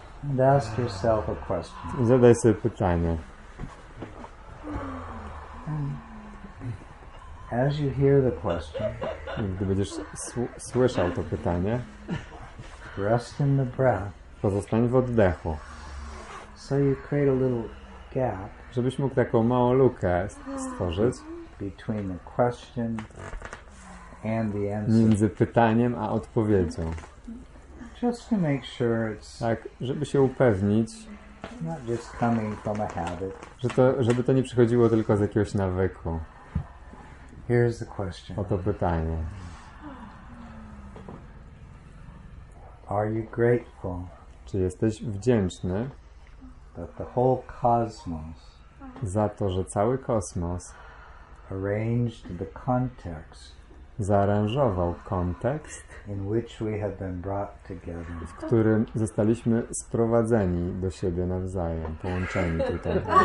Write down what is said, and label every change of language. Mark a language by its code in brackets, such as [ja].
[en] And ask yourself a question. [pl] Zadaj sobie pytanie. [en] As you hear the question, [pl] gdy będziesz słyszał to pytanie, [en] rest in the breath. [pl] Pozostań w oddechu. [en] So you create a little gap. [pl] Żebyś mógł taką małą lukę stworzyć. [en] Between the question and the answer. [pl] Między pytaniem a odpowiedzią. [en] Just to make sure it's. [pl] Tak, żeby się upewnić. [en] Not just coming from a habit. [pl] Żeby to nie przychodziło tylko z jakiegoś nawyku. [en] Here's the question. [pl] Oto pytanie. [en] Are you grateful? [pl] Czy jesteś wdzięczny? [en] That the whole cosmos. [pl] Za to, że cały kosmos. [en] Arranged the context. [pl] Zaaranżował kontekst, [en] in which we have been brought together. [pl] W którym zostaliśmy sprowadzeni do siebie nawzajem, połączeni tutaj.